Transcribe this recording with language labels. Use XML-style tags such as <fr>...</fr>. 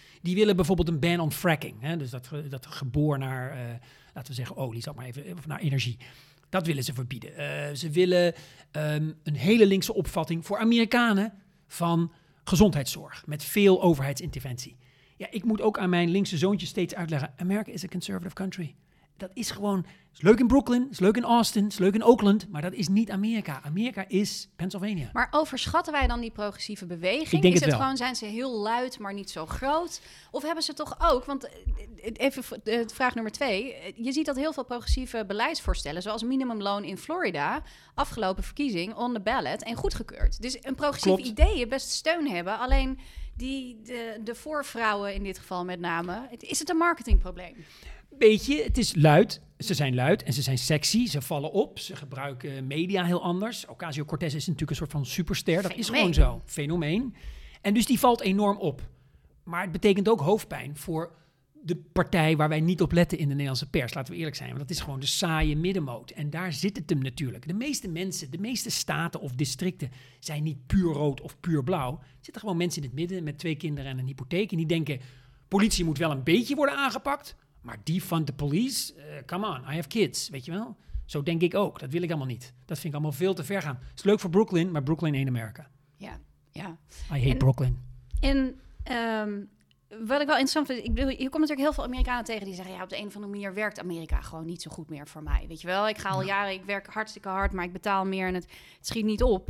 <nl>Die willen bijvoorbeeld een</nl> <en>ban on fracking.</en> <nl>Hè? Dus dat geboor naar, laten we zeggen, olie, zeg maar even, of naar energie. Dat willen ze verbieden. Ze willen een hele linkse opvatting voor Amerikanen van gezondheidszorg. Met veel overheidsinterventie. Ja, ik moet ook aan mijn linkse zoontje steeds uitleggen.</nl> <en>America is a conservative country.</en> <nl>Dat is gewoon, is leuk in Brooklyn, is leuk in Austin, is leuk in Oakland. Maar dat is niet Amerika. Amerika is Pennsylvania. Maar overschatten wij dan die progressieve beweging? Ik denk is het wel. Gewoon, zijn ze heel luid, maar niet zo groot? Of hebben ze toch ook, want even vraag nummer twee. Je ziet dat heel veel progressieve beleidsvoorstellen, zoals minimumloon in Florida, afgelopen verkiezing,</nl> <en>on the ballot</en> <nl>en goedgekeurd. Dus een progressief Klopt. Ideeën best steun hebben. Alleen de voorvrouwen in dit geval met name, is het een marketingprobleem? Beetje, het is luid. Ze zijn luid en ze zijn sexy. Ze vallen op. Ze gebruiken media heel anders. Ocasio-Cortez is natuurlijk een soort van superster. Fenomeen. Dat is gewoon zo. Fenomeen. En dus die valt enorm op. Maar het betekent ook hoofdpijn voor de partij waar wij niet op letten in de Nederlandse pers. Laten we eerlijk zijn. Want dat is gewoon de saaie middenmoot. En daar zit het hem natuurlijk. De meeste mensen, de meeste staten of districten zijn niet puur rood of puur blauw. Er zitten gewoon mensen in het midden met twee kinderen en een hypotheek. En die denken, politie moet wel een beetje worden aangepakt. Maar</nl> <en>defund the police, come on, I have kids,</en> <nl>weet je wel? Zo denk ik ook, dat wil ik allemaal niet. Dat vind ik allemaal veel te ver gaan. Het is leuk voor Brooklyn, maar</nl> <en>Brooklyn ain't America.</en> <nl>Ja, ja.</nl> <en>I hate Brooklyn.</en> <nl>En wat ik wel interessant vind, je komt natuurlijk heel veel Amerikanen tegen die zeggen, ja, op de een of andere manier werkt Amerika gewoon niet zo goed meer voor mij, weet je wel? Ik ga al jaren, ik werk hartstikke hard, maar ik betaal meer en het schiet niet op.</nl>